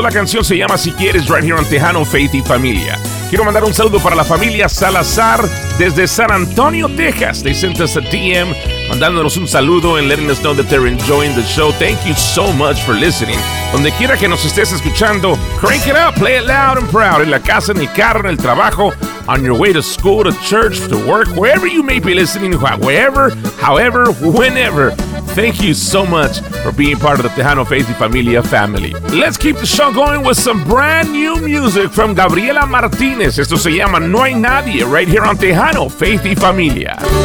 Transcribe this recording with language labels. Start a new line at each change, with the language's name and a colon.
Spanish: La canción se llama Si Quieres,
English: right here on
Spanish: Tejano, Faith y Familia. Quiero mandar un saludo para la familia Salazar desde San Antonio, Texas.
English: They sent us a DM
Spanish: mandándonos un saludo
English: and letting us know that they're enjoying the show. Thank you so much for listening.
Spanish: Donde quiera que nos estés escuchando,
English: crank it up, play it loud and proud.
Spanish: En la casa, en el carro, en el trabajo,
English: on your way to school, to church, to work, wherever you may be listening, wherever, however, whenever. Thank you so much for being part of the Tejano Faith y Familia family. Let's keep the show going with some brand new music from Gabriela Martinez.
Spanish: Esto se llama No Hay Nadie,
English: right here on
Spanish: Tejano Faith y Familia.